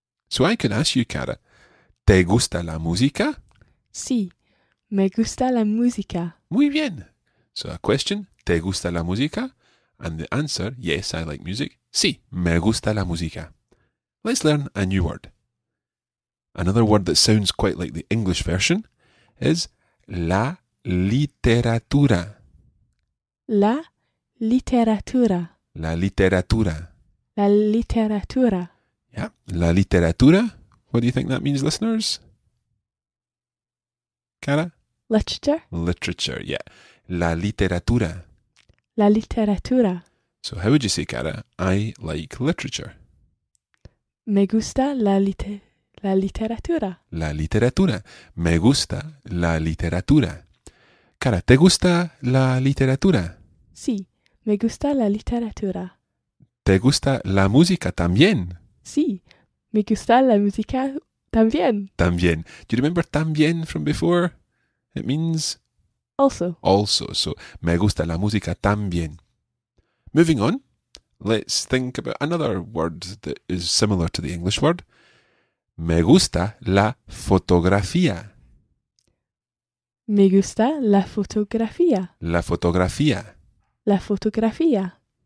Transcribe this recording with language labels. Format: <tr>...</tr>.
<en>So I can ask you, Cara,</en> <es>¿te gusta la música? Sí, me gusta la música. Muy bien.</es> <en>So a question,</en> <es>¿te gusta la música?</es> <en>And the answer, yes, I like music.</en> <es>Sí, me gusta la música.</es> <en>Let's learn a new word. Another word that sounds quite like the English version is la literatura.</en> <es>La literatura. La literatura. La literatura.</es> <en>Yeah,</en> <es>la literatura.</es> <en>What do you think that means, listeners? Cara? Literature. Literature, yeah.</en> <es>La literatura. La literatura.</es> <en>So how would you say, Cara, I like literature?</en> <es>Me gusta la literatura. La literatura. Me gusta la literatura. Cara, ¿te gusta la literatura? Sí, me gusta la literatura. ¿Te gusta la música también? Sí, me gusta la música también. También.</es> <en>Do you remember también from before? It means? Also. Also. So,</en> <es>me gusta la música también.</es> <en>Moving on, let's think about another word that is similar to the English word.</en> <es>Me gusta la fotografía. Me gusta la fotografía. La fotografía. La fotografía.</es>